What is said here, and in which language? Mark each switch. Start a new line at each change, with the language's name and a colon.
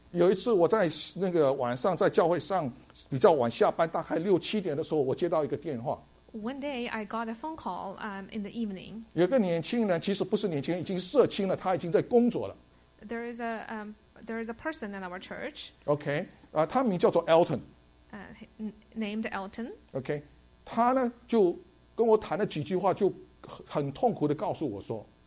Chinese: 有一次我在那个晚上在教会上比较晚下班，大概六七点的时候，我接到一个电话。
English: One day I got a phone call in the evening.
Chinese: 有个年轻人，其实不是年轻人，已经社青了，他已经在工作了。
English: There is a person in our church. Okay.
Chinese: 他名叫做 Elton.
English: Named Elton. Okay.
Chinese: 他呢就跟我谈了几句话，就很痛苦的告诉我说。